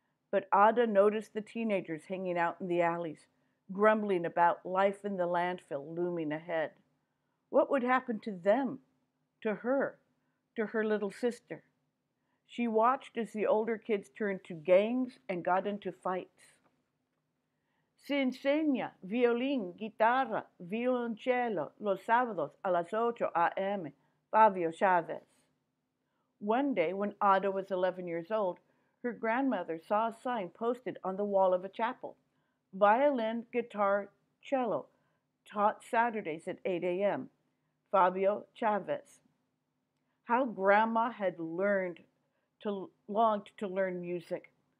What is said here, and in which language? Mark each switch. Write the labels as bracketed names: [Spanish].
[English] But Ada noticed the teenagers hanging out in the alleys, grumbling about life in the landfill looming ahead. What would happen to them, to her little sister? She watched as the older kids turned to gangs and got into fights. [Spanish] Se enseña violín, guitarra, violoncello los sábados a las 8 a.m., Fabio Chávez. [English] One day, when Ada was 11 years old, her grandmother saw a sign posted on the wall of a chapel. Violin, guitar, cello, taught Saturdays at 8 a.m., Fabio Chávez. How Grandma had longed to learn music.